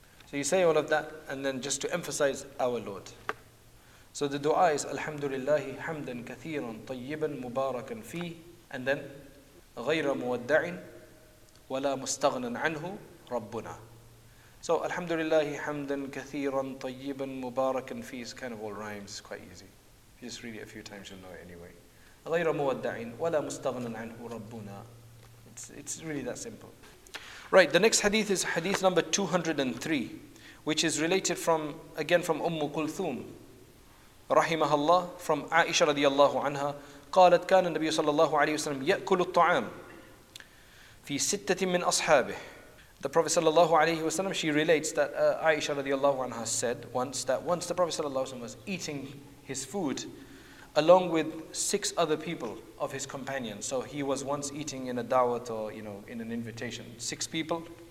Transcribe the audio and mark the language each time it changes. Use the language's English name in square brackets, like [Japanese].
[English] So you say all of that, and then just to emphasize, our Lord. So the dua is Alhamdulillah, hamdan kathiran, tayyiban, mubarakan fi, and then [Arabic] غير مودع ولا مستغنى عنه ربنا. [English] So Alhamdulillah, hamdan kathiran, tayyiban, mubarakan fi is kind of all rhymes, quite easy. If you just read it a few times, you'll know it anyway. [Arabic] غير مودع ولا مستغنى عنه ربنا. [English] It's really that simple. Right, the next hadith is hadith number 203, which is related from Umm Kulthum, rahimahullah, from Aisha radiyallahu anha. [Arabic] قالت كان النبي صلى الله عليه وسلم يأكل الطعام في ستة من أصحابه. [English] The Prophet صلى الله عليه وسلم, she relates that Aisha radiyallahu anha said once the Prophet صلى الله عليه وسلم was eating his food along with six other people of his companions. So he was once eating in a da'wat or, you know, in an invitation. Six people.